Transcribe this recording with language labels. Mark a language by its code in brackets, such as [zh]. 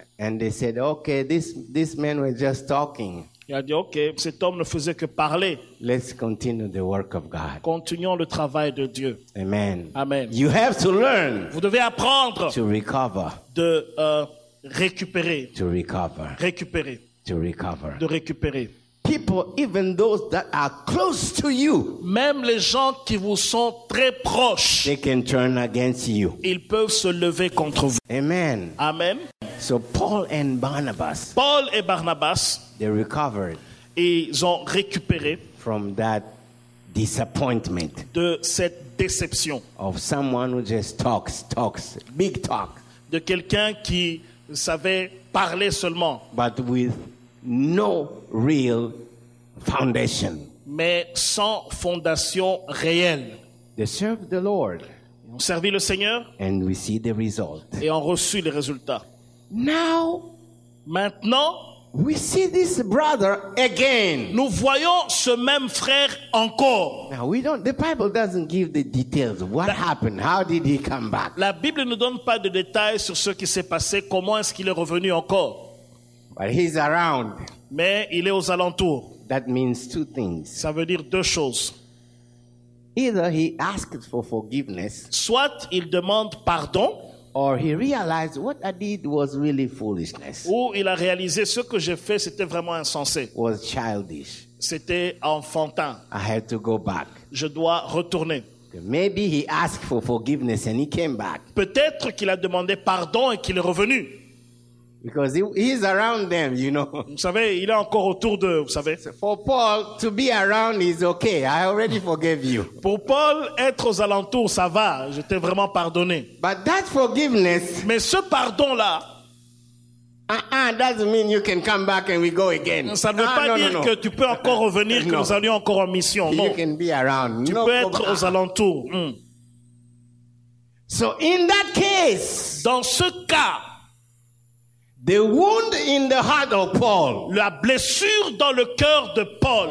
[en] And they said, okay, this man was just talking. [fr] Il a dit, ok, cet homme ne faisait que parler. [en] Let's continue the work of God. [fr] Continuons le travail de Dieu. [en] Amen. [fr] Amen. [en] You have to learn. [fr] Vous devez apprendre. [en] To recover. [fr] De récupérer. [en] To recover. [fr] Récupérer. [en] To recover. [fr] De récupérer. [en] People, even those that are close to you, [fr] même les gens qui vous sont très proches, [en] they can turn against you. [fr] Ils peuvent se lever contre vous. [en] Amen. [fr] Amen. [en] So Paul and Barnabas. [fr] Paul et Barnabas. [en] They recovered. [fr] Ils ont récupéré [en] from that disappointment. [fr] De cette déception. [en] Of someone who just talks, big talk. [fr] De quelqu'un qui savait parler seulement. [en] But with no real foundation. [fr] Mais sans fondation réelle. [en] They served the Lord. [fr] Ils ont servi le Seigneur. [en] And we see the result. [fr] Et ont reçu les résultats. [en] Now, [fr] maintenant, [en] we see this brother again. [fr] Nous voyons ce même frère encore. [en] Now we don't. The Bible doesn't give the details. What happened? How did he come back? [fr] La Bible ne donne pas de détails sur ce qui s'est passé. Comment est-ce qu'il est revenu encore? [en] But he's around. [fr] Mais il est aux alentours. [en] That means two things. [fr] Ça veut dire deux choses. [en] Either he asked for forgiveness. [fr] Soit il demande pardon. [en] Or he realized what I did was really foolishness. [fr] Ou il a réalisé ce que j'ai fait, c'était vraiment insensé. [en] Was childish. [fr] C'était enfantin. [en] I had to go back. [fr] Je dois retourner. [en] Maybe he asked for forgiveness and he came back. [fr] Peut-être qu'il a demandé pardon et qu'il est revenu. [en] Because he's around them, you know. [fr] Vous savez, il est encore autour d'eux, vous savez. [en] For Paul to be around is okay. I already forgave you. [fr] Pour Paul, être aux alentours, ça va. Je t'ai vraiment pardonné. [en] But that forgiveness. [fr] Mais ce pardon-là. [en] Doesn't mean you can come back and we go again. [fr] Ça ne veut pas dire que tu peux encore revenir, que nous allions encore en mission. [en] You [fr] non. [en] Can be around. [fr] Tu [en] no [fr] peux [en] problem. [fr] Être aux alentours. Mm. [en] So in that case. [fr] Dans ce cas. [en] The wound in the heart of Paul. [fr] La blessure dans le cœur de Paul.